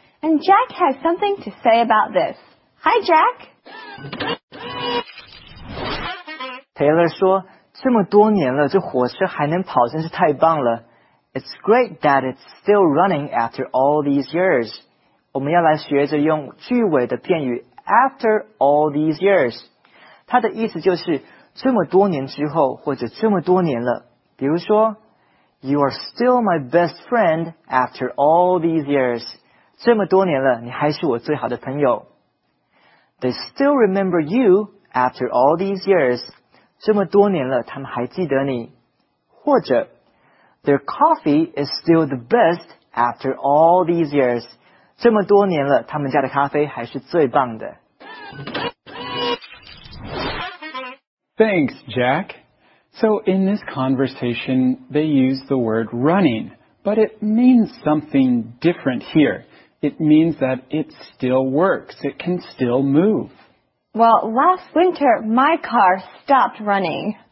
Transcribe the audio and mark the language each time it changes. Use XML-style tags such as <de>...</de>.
<en>And Jack has something to say about this. Hi, Jack.</en> <zh>Taylor 说, 这么多年了,这火车还能跑真是太棒了。</zh> <en>It's great that it's still running after all these years.</en> <zh>我们要来学着用句尾的片语</zh> <en>after all these years.</en> <zh>它的意思就是这么多年之后或者这么多年了。比如说</zh> <en>You are still my best friend after all these years.</en> <zh>这么多年了你还是我最好的朋友。</zh> <en>They still remember you after all these years.</en> <zh>这么多年了他们还记得你。</zh> <en>或者Their coffee is still the best after all these years.</en> <zh>这么多年了，他们家的咖啡还是最棒的。</zh> <en>Thanks, Jack. So in this conversation, they use the word running, but it means something different here. It means that it still works. It can still move. Well, last winter, my car stopped running.</en>